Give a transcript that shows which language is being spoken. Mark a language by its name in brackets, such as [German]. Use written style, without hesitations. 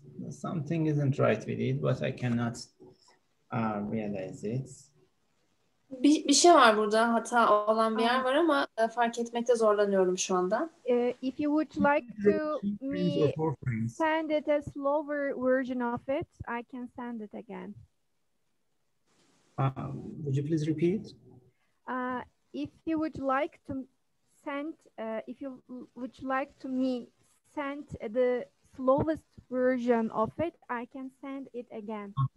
[English] Something isn't right with it, but I cannot realize it. [Turkish] Bir şey var burada, hata olan bir yer var ama fark etmekte zorlanıyorum şu anda. [English] If you would like to me send it a slower version of it, I can send it again. Would you please repeat? If you would like to send, if you would like to me send the slowest version of it, I can send it again.